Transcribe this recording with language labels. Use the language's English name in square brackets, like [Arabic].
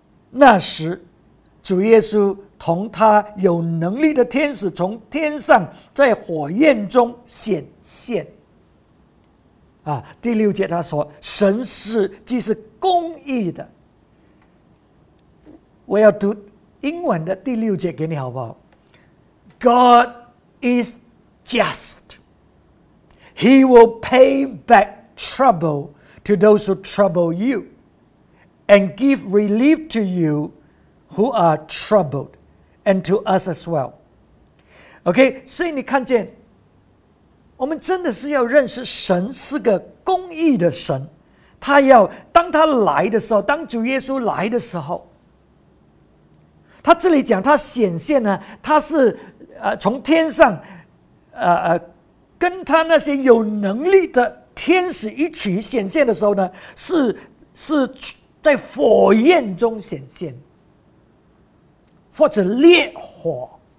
[Chinese] 那时主耶稣同他有能力的天使从天上在火焰中显现。第六节他说，神是既是公义的。我要读英文的第六节给你好不好？ [English] God is just. He will pay back trouble to those who trouble you and give relief to you who are troubled and to us as well. [Chinese] OK, 所以你看见我们真的是要认识神是个公义的神。他要当他来的时候，当主耶稣来的时候，他这里讲他显现呢，他是从天上跟他那些有能力的天使一起显现的时候呢，是在火焰中显现，或者烈火。